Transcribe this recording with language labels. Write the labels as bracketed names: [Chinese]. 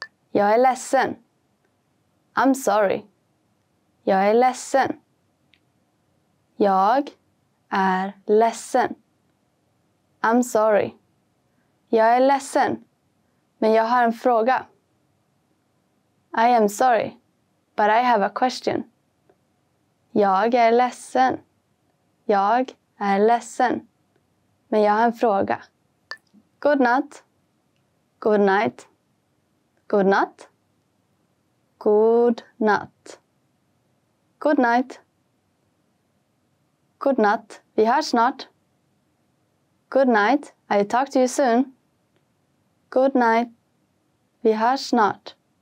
[Swedish] Jag är ledsen. [English] I'm sorry. [Swedish] Jag är ledsen. Jag är ledsen. [English] I'm sorry. [Swedish] Jag är ledsen, men jag har en fråga. [English] I am sorry, but I have a question. [Swedish] Jag är ledsen. Jag är ledsen, men jag har en fråga. God natt. [English] Good night. [Swedish] Good natt. [English] Good natt. Good night. Good natt. [Swedish] Vi hörs snart. [English] Good night. I talk to you soon. Good night. Vi hörs snart.